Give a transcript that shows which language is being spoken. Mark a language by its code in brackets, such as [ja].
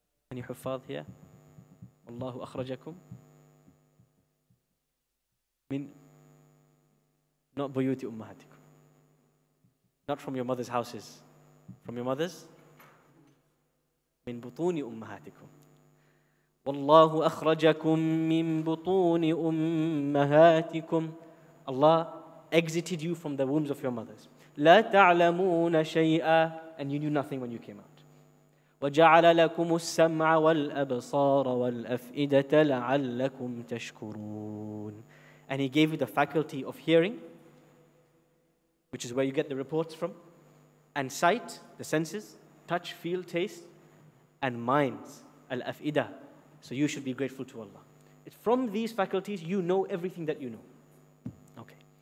[en] Any huffaz here? Allahu akhrajakum. Min, not buyuti ummahatikum. Not from your mother's houses. From your mother's? Min butuni ummahatikum. [ar] والله أخرجكم من بطون أمهاتكم. [en] Allah exited you from the wombs of your mothers. [ar] لا تعلمون شيئا. [en] And you knew nothing when you came out. [ar] وجعل لكم السمع والأبصار والأفئدة لعلكم تشكرون. [en] And he gave you the faculty of hearing, which is where you get the reports from, and sight, the senses, touch, feel, taste, and minds, الأفئدة. So you should be grateful to Allah. It's from these faculties you know everything that you know. Okay.